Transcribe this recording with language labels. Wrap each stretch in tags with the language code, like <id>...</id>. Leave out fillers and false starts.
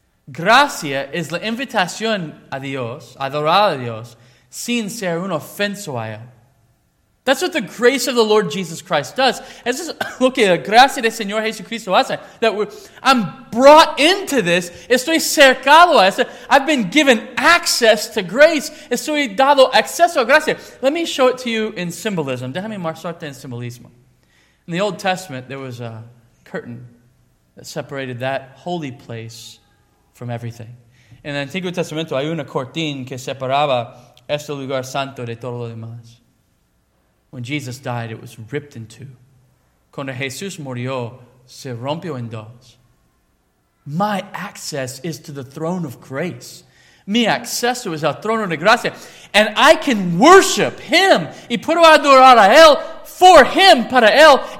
<es>Gracia es la invitación a Dios, adorar a Dios, sin ser un ofenso a Él.</es> <en>That's what the grace of the Lord Jesus Christ does.</en> <es>Eso es lo que la gracia del Señor Jesucristo hace.</es> <en>That I'm brought into this.</en> <es>Estoy cercado a eso.</es> <en>I've been given access to grace.</en> <es>Estoy dado acceso a gracia.</es> <en>Let me show it to you in symbolism.</en> <es>Déjame mostrarte en simbolismo.</es> <en>In the Old Testament, there was a curtain that separated that holy place from everything.</en> <es>En el Antiguo Testamento, hay una cortina que separaba este lugar santo de todo lo demás.</es> <en>When Jesus died, it was ripped in two.</en> <es>Cuando Jesús murió, se rompió en dos.</es> <en>My access is to the throne of grace.</en> <es>Mi acceso es al trono de gracia.</es> <en>And I can worship Him.</en> <es>Y puedo adorar a Él</es> <en>for Him,</en> <es>para Él.</es>